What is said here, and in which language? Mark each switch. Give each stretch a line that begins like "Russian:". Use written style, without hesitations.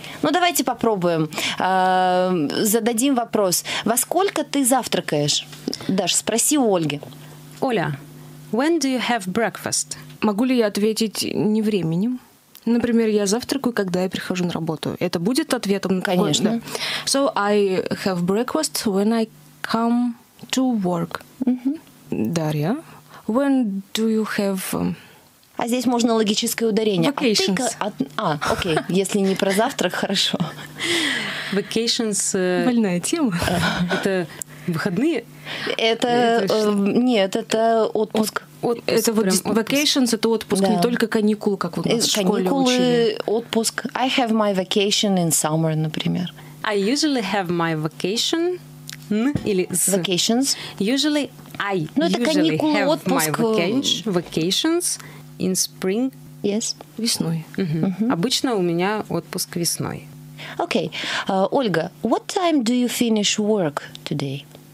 Russian: Ну, давайте попробуем. Зададим вопрос. Во сколько ты завтракаешь? Даш, спроси у Ольги.
English: Оля, when do you have breakfast?
Russian: Могу ли я ответить не временем? Например, я завтракаю, когда я прихожу на работу. Это будет ответом? Конечно.
English: So I have breakfast when I come to work. Mm-hmm. Дарья, when do you have...
Russian: А здесь можно логическое ударение.
English: Vacations.
Russian: Окей, если не про завтрак, хорошо.
English: Vacations.
Russian: Больная тема. Это выходные? Это, нет, это отпуск. Отпуск, это вот отпуск. Vacations, это отпуск, да. Не только каникулы, как вот в школе учили. Каникулы, отпуск.
English: I have my vacation in summer, например. I usually have my vacation.
Russian: Или с.
English: Vacations. Usually I usually
Russian: это каникулы,
English: have
Russian: отпуск.
English: My vacations in spring. Yes.
Russian: Весной. Mm-hmm. Обычно у меня отпуск весной.
English: Okay. Ольга, what time do you finish work today?